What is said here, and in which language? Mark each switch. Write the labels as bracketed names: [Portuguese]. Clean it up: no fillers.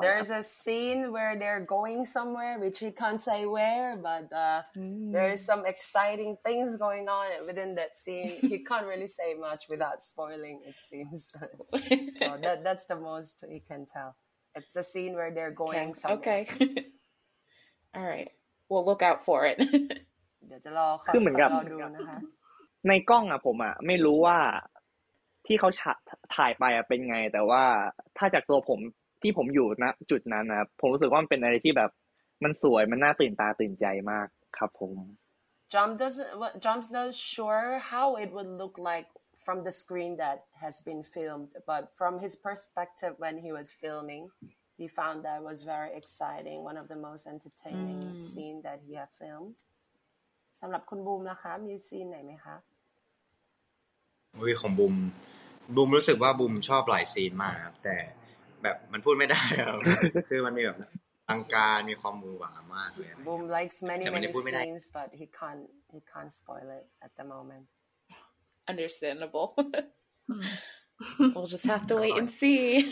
[English] So there's a scene where they're going somewhere which we can't say where but there's some exciting things going on within that scene he can't really say much without spoiling it seems so that's the most he can tell it's the scene where they're going somewhere okay all right we'll look out for it [Thai] เดี๋ยวจะรอคอยรอดูนะคะ ในกล้องอะผมอะไม่รู้ว่าที่เขาถ่ายไปเป็นไงแต่ว่าถ้าจากตัวผมที่ผมอยู่ณจุดนั้นนะผมรู้สึกว่ามันเป็นอะไรที่แบบมันสวยมันน่าตื่นตาตื่นใจมากครับผม [English] Jump doesn't Jump's not sure how it would look like from the screen that has been filmed but from his perspective when he was filming he found that was very exciting one of the most entertaining scene that he had filmed [Thai] สำหรับคุณบูมนะคะมีซีนไหนไหมคะ วิวของบูมรู้สึกว่าบูมชอบหลายซีนมากครับแต่แบบมันพูดไม่ได้คือมันมีแบบอลังการมีความมือหวามากเลย [English] บูม likes many scenes but he can't spoil it at the moment understandable we'll just have to wait and see